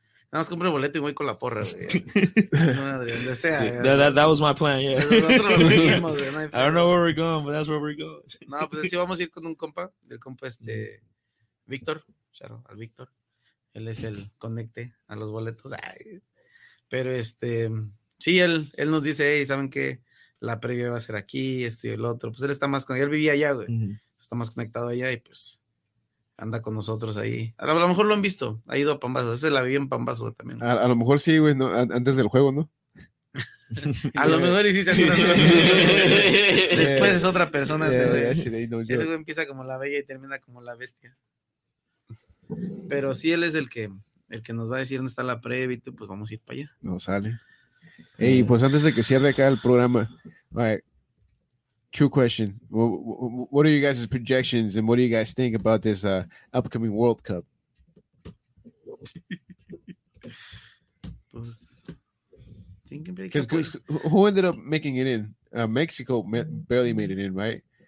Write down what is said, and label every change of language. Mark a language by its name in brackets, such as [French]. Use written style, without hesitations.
[Spanish] Nada más compré boleto y voy con la porra, güey. Madre, donde sea. Sí, [English] that was my plan, yeah. [Spanish] Nosotros nos seguimos, güey. [English] I don't know where we're going, but that's where we're going. [Spanish] No, pues sí, vamos a ir con un compa. El compa es de Víctor. Claro, al Víctor. Él es el conecte a los boletos. Ay. Pero sí, él nos dice, hey, ¿saben qué? La previa va a ser aquí, esto y el otro. Pues él está más conectado. Él vivía allá, güey. Uh-huh. Está más conectado allá y pues... Anda con nosotros ahí. A lo mejor lo han visto. Ha ido a Pambazo. Ese la vi en Pambazo también. A lo mejor sí, güey. No, antes del juego, ¿no? lo mejor y sí se acuerda. Después es otra persona. Ese güey empieza como la bella y termina como la bestia. Pero sí, él es el que nos va a decir dónde está la previa y tú, pues vamos a ir para allá. No sale. Hey, pues antes de que cierre acá el programa. [English] All right. True question. What are you guys' projections and what do you guys think about this upcoming World Cup? Who ended up making it in? Mexico barely made it in, right?